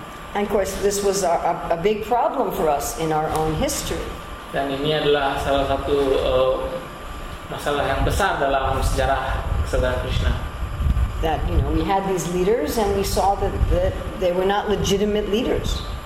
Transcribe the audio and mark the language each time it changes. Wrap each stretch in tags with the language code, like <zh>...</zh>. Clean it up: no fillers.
<en>And of course, this was a big problem for us in our own history.</en> <id>Dan ini adalah salah satu masalah yang besar dalam sejarah kesadaran Krishna.</id> <en>That, you know, we had these leaders and we saw that they were not legitimate leaders.</en>